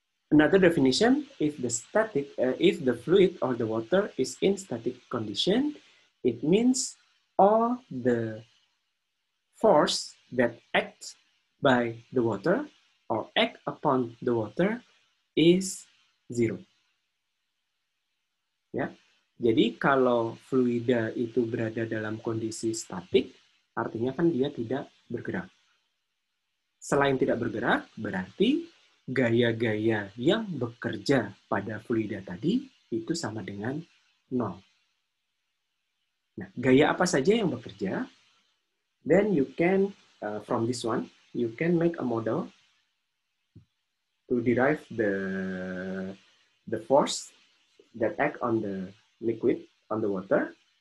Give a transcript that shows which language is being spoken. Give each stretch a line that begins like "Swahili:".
English: Another definition, if the fluid or the water is in static condition, it means all the force that acts by the water or act upon the water is zero.
Indonesian: Ya, jadi kalau fluida itu berada dalam kondisi statik, artinya kan dia tidak bergerak. Selain tidak bergerak, berarti gaya-gaya yang bekerja pada fluida tadi itu sama dengan nol. Nah, gaya apa saja yang bekerja?
English: Then you can, from this one, you can make a model to derive the force that act on the liquid, on the water.